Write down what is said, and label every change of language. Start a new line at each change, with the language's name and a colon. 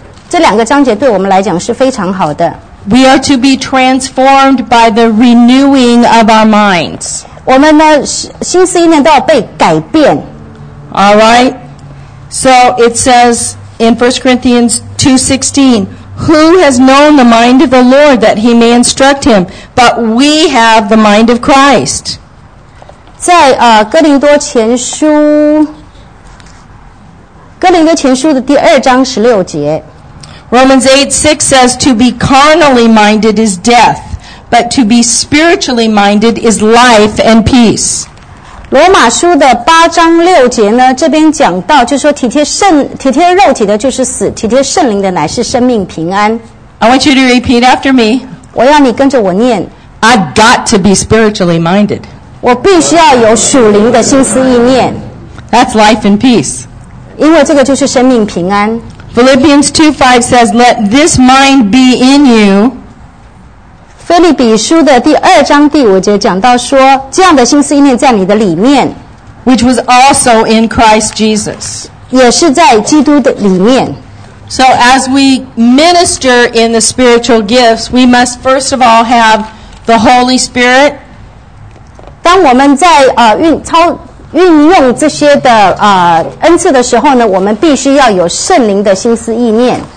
Chinese: 这两个章节对我们来讲是非常好的。
English: We are to be transformed by the renewing of our minds.
Chinese: 我们呢，心思意念都要被改变。
English: All right. So it says in 1 Corinthians 2:16, "Who has known the mind of the Lord that he may instruct him? But we have the mind of Christ."
Chinese: 在哥林多前书的第二章十六节
English: ，Romans 8:6 says, "To be carnally minded is death, but to be spiritually minded is life and peace."
Chinese: 罗马书的八章六节呢，这边讲到，就是说体贴肉体的就是死，体贴圣灵的乃是生命平安。
English: I want you to repeat after me.
Chinese: 我要你跟着我念。
English: I've got to be spiritually minded.
Chinese: 我必须要有属灵的心思意念。
English: That's life and peace.
Chinese: 因为这个就是生命平安。
English: Philippians 2:5 says, "Let this mind be in you."
Chinese: 腓立比书的第二章第五节讲到说，这样的心思意念在你的里面
English: ，which was also in Christ Jesus，
Chinese: 也是在基督的里面。
English: So as we minister in the spiritual gifts, we must first of all have the Holy Spirit.
Chinese: 当我们在运用这些的恩赐的时候呢，我们必须要有圣灵的心思意念。